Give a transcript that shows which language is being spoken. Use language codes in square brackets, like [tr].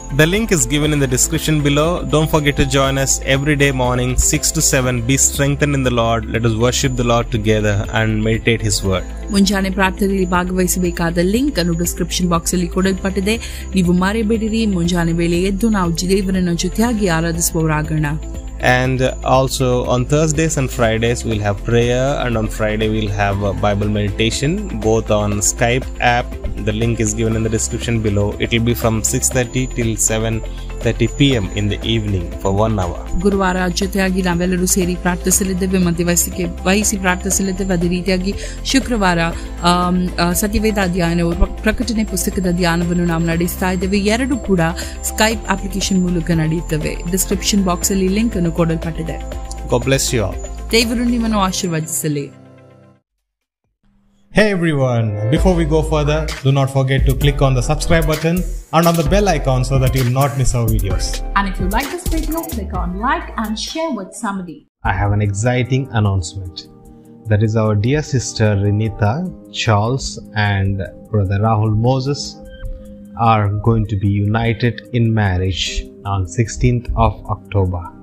[en] The link is given in the description below. Don't forget to join us every day morning 6 to 7. Be strengthen in the Lord, let us worship the Lord together and meditate his word. [kn] ಮುಂಜಾನೆ ಪ್ರಾರ್ಥನೆಯಲ್ಲಿ ಭಾಗವಹಿಸಬೇಕಾದ link ಅನ್ನು description box ಅಲ್ಲಿ ಕೊಡಲ್ಪಟ್ಟಿದೆ. ನೀವು ಮರೆಯಬೇಡಿರಿ, ಮುಂಜಾನೆ ವೇಳೆ ಎದ್ದು ನಾವು ದೇವರನ್ನು ಜೊತೆಯಾಗಿ ಆರಾಧಿಸುವವರಾಗೋಣ. [en] And also on Thursdays and Fridays we'll have prayer, and on Friday we'll have a Bible meditation, both on Skype app. The link is given in the description below. It'll be from 6:30 till 7:30 p.m. in the evening for 1 hour. [kn] ಗುರುವಾರ ಜೊತೆಯಾಗಿ ನಾವೆಲ್ಲರೂ ಸೇರಿ ಪ್ರಾರ್ಥಿಸಲಿದ್ದೇವೆ, ಮಧ್ಯವಯಸ್ಸಿಗೆ ವಹಿಸಿ ಪ್ರಾರ್ಥಿಸಲಿದ್ದೇವೆ. ಅದೇ ರೀತಿಯಾಗಿ ಶುಕ್ರವಾರ ಸತ್ಯವೇದ ಅಧ್ಯಯನ ಪ್ರಕಟಣೆ ಪುಸ್ತಕದ ಧ್ಯಾನವನ್ನು ನಾವು ನಡೆಸ್ತಾ ಇದ್ದೇವೆ. ಎರಡು ಕೂಡ ಸ್ಕೈಪ್ ಅಪ್ಲಿಕೇಶನ್ ಮೂಲಕ ನಡೆಯುತ್ತವೆ. ಡಿಸ್ಕ್ರಿಪ್ಷನ್ ಬಾಕ್ಸ್ ಅಲ್ಲಿ ಲಿಂಕ್ ಅನ್ನು ಕೊಡಲ್ಪಟ್ಟಿದೆ. [en] God bless you all. [kn] ದೇವರು ನಿಮ್ಮನ್ನು ಆಶೀರ್ವದಿಸಲಿ. [en] Hey everyone, before we go further, do not forget to click on the subscribe button and on the bell icon so that you will not miss our videos. And if you like this video, click on like and share with somebody. I have an exciting announcement. That is our dear sister Renita, Charles and brother Rahul Moses are going to be united in marriage on 16th of October.